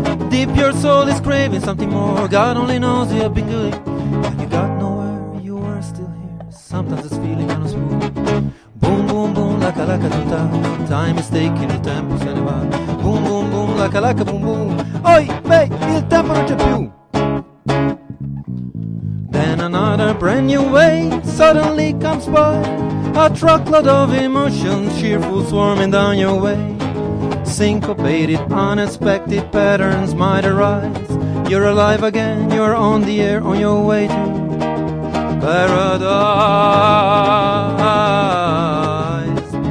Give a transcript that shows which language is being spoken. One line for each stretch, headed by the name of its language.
English: Deep your soul is craving something more. God only knows you have been good. You got nowhere, you are still here. Sometimes it's feeling kind of smooth. Boom, boom, boom, laka, laka, tuta. Time is taking,
Italian: il tempo se ne va.
English: Boom, boom, boom, laka, laka, boom, boom.
Italian: Oi, vei, il tempo non c'è più.
English: Then another brand new way suddenly comes by. A truckload of emotions cheerful swarming down your way. Syncopated, unexpected patterns might arise. You're alive again, you're on the air, on your way to paradise.